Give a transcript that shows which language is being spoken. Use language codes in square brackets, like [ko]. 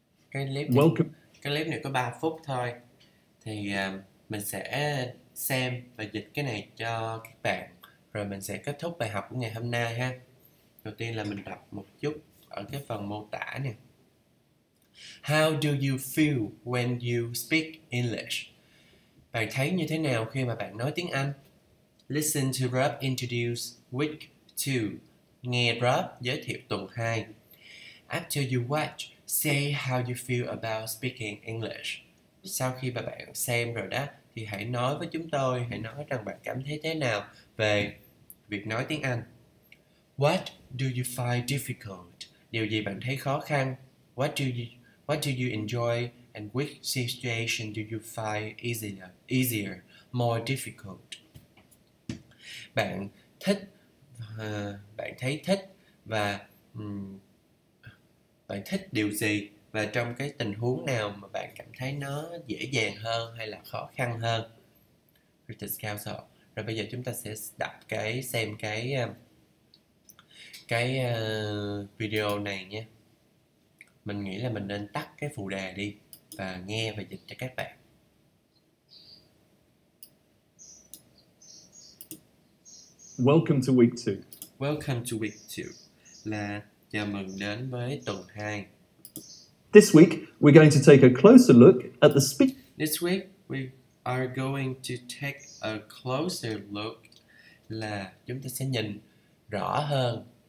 [vi] cái clip thì [en] Welcome. [vi] cái clip này có 3 phút thôi, thì mình sẽ xem và dịch cái này cho các bạn, rồi mình sẽ kết thúc bài học của ngày hôm nay ha. Đầu tiên là mình đọc một chút ở cái phần mô tả nè. [en] How do you feel when you speak English? [vi] Bạn thấy như thế nào khi mà bạn nói tiếng Anh? [en] Listen to Rob introduce week 2. [vi] Nghe Rob giới thiệu tuần 2. [en] After you watch, say how you feel about speaking English. [vi] Sau khi mà bạn xem rồi đó, thì hãy nói với chúng tôi, hãy nói rằng bạn cảm thấy thế nào về việc nói tiếng Anh. [en] What do you find difficult? [vi] Điều gì bạn thấy khó khăn? [en] What do you enjoy? And which situation do you find easier, more difficult? [vi] Bạn thích, bạn thấy thích và bạn thích điều gì, và trong cái tình huống nào mà bạn cảm thấy nó dễ dàng hơn hay là khó khăn hơn? Rồi bây giờ chúng ta sẽ đọc cái xem cái video này nhé. Mình nghĩ là mình nên tắt cái phụ đề đi và nghe và dịch cho các bạn. [en] Welcome to week two. Welcome to week two. [vi] Là chào mừng đến với tuần 2. [en] This week, we're going to take a closer look at the speech. This week, we are going to take a closer look. [vi] Là chúng ta sẽ nhìn rõ hơn.